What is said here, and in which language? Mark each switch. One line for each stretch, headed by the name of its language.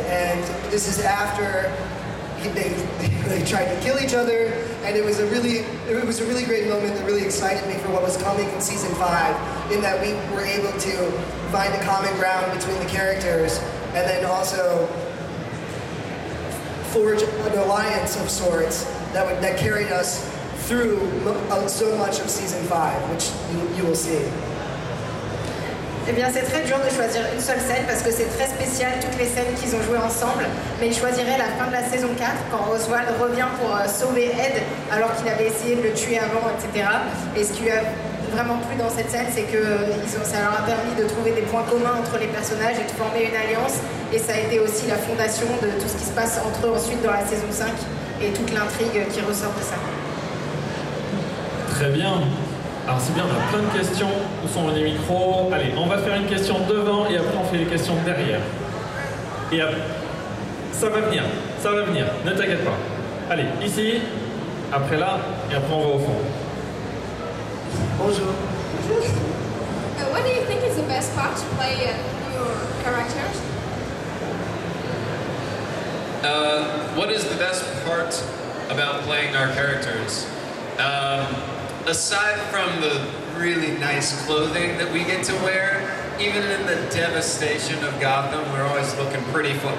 English: And this is after they tried to kill each other, and it was a really great moment that really excited me for what was coming in season five, in that we were able to find the common ground between the characters, and then also forge an alliance of sorts that carried us through so much of season five, which you will see.
French: Eh bien, c'est très dur de choisir une seule scène parce que c'est très spécial toutes les scènes qu'ils ont jouées ensemble. Mais je choisirais la fin de la saison 4 quand Oswald revient pour sauver Ed alors qu'il avait essayé de le tuer avant, etc. Et ce qui lui a vraiment plu dans cette scène, c'est que ça leur a permis de trouver des points communs entre les personnages et de former une alliance. Et ça a été aussi la fondation de tout ce qui se passe entre eux ensuite dans la saison 5 et toute l'intrigue qui ressort de ça. Très bien. Alors c'est bien, on a plein de questions, où sont les micros? Allez, on va faire une question devant et après on fait les questions derrière. Et après, ça va venir, ne t'inquiète pas. Allez, ici, après là, et après on va au fond. Bonjour.
English: What do you think is the best part to play your characters? What is the best part about playing our characters? Aside from the really nice clothing that we get to wear, even in the devastation of Gotham, we're always looking pretty foot.